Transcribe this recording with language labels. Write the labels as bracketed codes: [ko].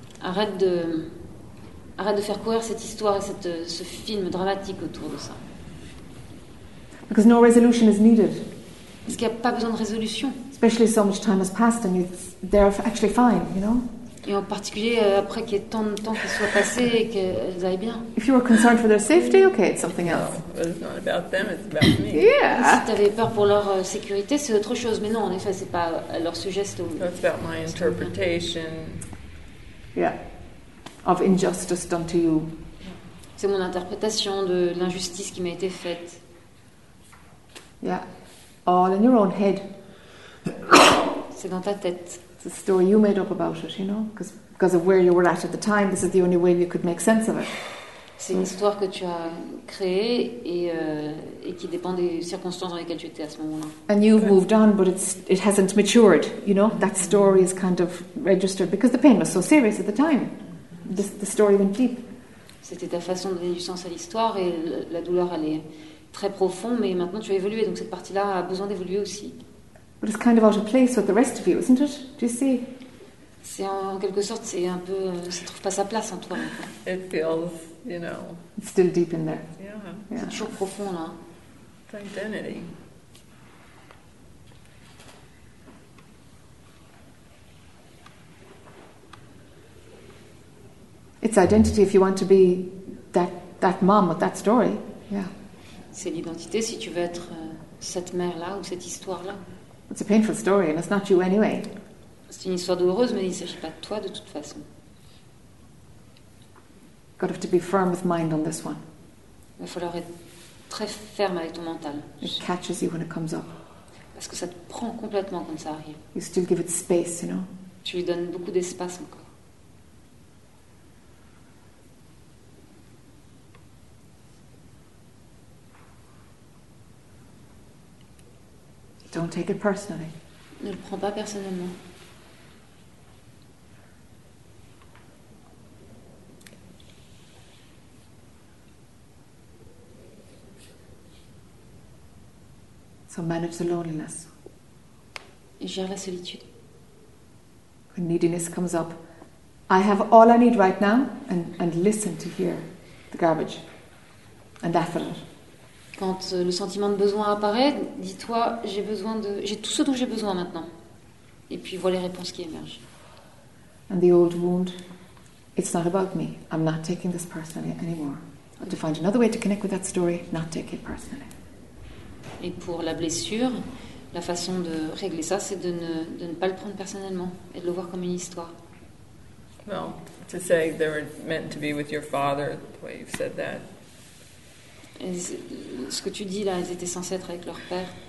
[fr] Arrête de faire courir cette histoire et ce film dramatique autour de ça. [en] Because no resolution is needed. [fr] Parce qu'il n'y a pas besoin de résolution. [en] Especially so much time has passed and they're actually fine, you know? [fr] Et en particulier après qu'il y ait tant de temps qui soit passé et qu'elles aillent bien. [en] If you were concerned for their safety, okay, it's something else. No, it's not about them, it's about me. Yeah. [fr] Si tu avais peur pour leur sécurité, c'est autre chose. Mais non, en effet, c'est pas leur sujet. C'est [en] about my interpretation. Yeah. Of injustice done to you. [fr] C'est mon interprétation de l'injustice qui m'a été faite. [en] Yeah. All in your own head. [fr] C'est dans ta tête. [en] It's a story you made up about it, you know, because of where you were at the time. This is the only way you could make sense of it. [fr] C'est une histoire que tu as créée et qui dépend des circonstances dans lesquelles tu étais à ce moment-là. [en] And you've moved on, but it hasn't matured. You know, that story is kind of registered because the pain was so serious at the time. The story went deep. [fr] C'était ta façon de donner du sens à l'histoire et la douleur allait. Très profond, mais maintenant tu as évolué, donc cette partie-là a besoin d'évoluer aussi. [en] But it's kind of out of place with the rest of you, isn't it? Do you see? [fr] C'est en quelque sorte, c'est un peu, ça trouve pas sa place en toi. [en] It feels, you know. It's still deep in there. Yeah. [fr] C'est toujours profond là. [en] It's identity. It's identity if you want to be that mom with that story. Yeah. [fr] C'est l'identité si tu veux être cette mère-là ou cette histoire-là. [en] It's a painful story and it's not you anyway. [fr] C'est une histoire douloureuse, mais il ne s'agit pas de toi de toute façon. [en] Got to be firm with mind on this one. [fr] Il va falloir être très ferme avec ton mental. [en] It catches you when it comes up. [fr] Parce que ça te prend complètement quand ça arrive. [en] You still give it space, you know? [fr] Tu lui donnes beaucoup d'espace encore. [en] Don't take it personally. [fr] Ne le prends pas personnellement. [en] So manage the loneliness. [fr] Et gère la solitude. [en] When neediness comes up, I have all I need right now and listen to hear the garbage and effort. [fr] Quand le sentiment de besoin apparaît, dis-toi, j'ai tout ce dont j'ai besoin maintenant. Et puis vois les réponses qui émergent. [en] And the old wound, it's not about me. I'm not taking this personally anymore. I have to find another way to connect with that story, not take it personally. [fr] Et pour la blessure, la façon de régler ça, c'est de ne pas le prendre personnellement et de le voir comme une histoire. [en] Well, to say they were meant to be with your father, the way you've said that. [fr] Ce que tu dis là, ils étaient censés être avec leur père.